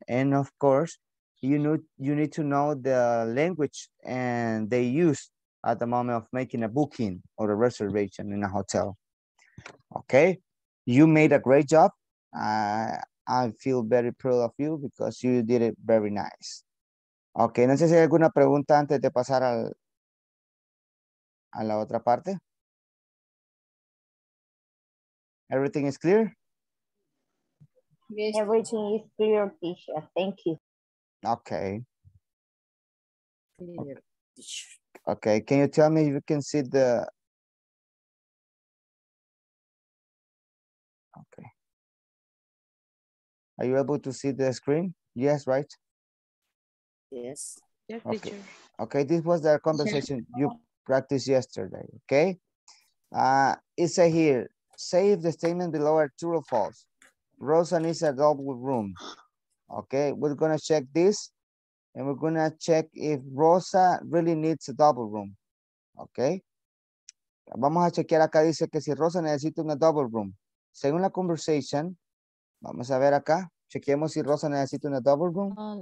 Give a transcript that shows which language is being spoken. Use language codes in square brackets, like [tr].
[en] And of course, you need to know the language and they use at the moment of making a booking or a reservation in a hotel. Okay, you made a great job. I feel very proud of you because you did it very nice. [es] Okay, no sé si hay alguna pregunta antes de pasar a la otra parte. [en] Everything is clear? Everything is clear, teacher. Thank you. Okay. Okay, can you tell me if you can see the... Okay. Are you able to see the screen? Yes, right? Yes. Okay, okay, this was the conversation you practiced yesterday, okay? It says here, say if the statement below are true or false. Rosa needs a double room. Okay, we're gonna check this. And we're gonna check if Rosa really needs a double room, okay? [es] Vamos a chequear acá, dice que si Rosa necesita una double room. Según la conversation, vamos a ver acá, chequeemos si Rosa necesita una double room.